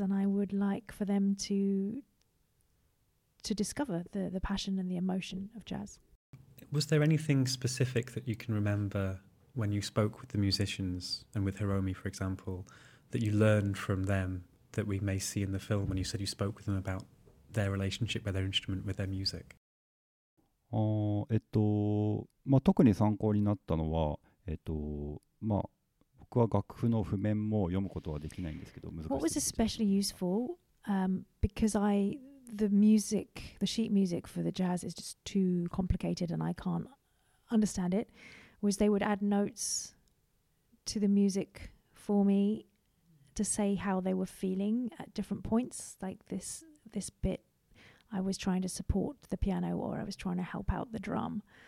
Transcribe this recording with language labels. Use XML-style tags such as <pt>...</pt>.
<en>And I would like for them to discover the passion and the emotion of jazz. Was there anything specific that you can remember... when you spoke with the musicians and with Hiromi, for example, that you learned from them that we may see in the film when you said you spoke with them about their relationship with their instrument, with their music?</en> <ja>まあ、特に参考になったのは、まあ、僕は楽譜の譜面も読むことはできないんですけど、難しい。</ja> <en>What was especially useful, because the music, the sheet music for the jazz is just too complicated and I can't understand it. Was they would add notes to the music for me to say how they were feeling at different points, like this bit, I was trying to support the piano or I was trying to help out the drum.</en>